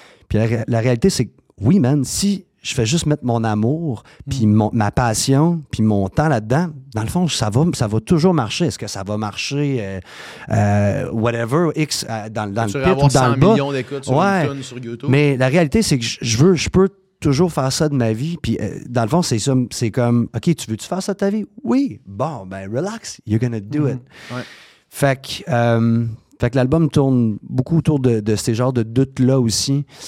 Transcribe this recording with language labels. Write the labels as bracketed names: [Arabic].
[French] Puis la réalité, c'est que oui, man, si je fais juste mettre mon amour, puis ma passion, puis mon temps là-dedans, dans le fond, ça va toujours marcher. Est-ce que ça va marcher, whatever, X, dans le pit ou dans le bas? Tu vas avoir 100 millions d'écoutes sur une tune sur YouTube. Mais la réalité, c'est que je peux toujours faire ça de ma vie. Puis dans le fond, c'est ça, c'est comme, OK, tu veux-tu faire ça de ta vie? Oui. [English] Bon, ben relax, you're gonna do it. [French] Ouais. Fait que l'album tourne beaucoup autour de ces genres de doutes-là aussi.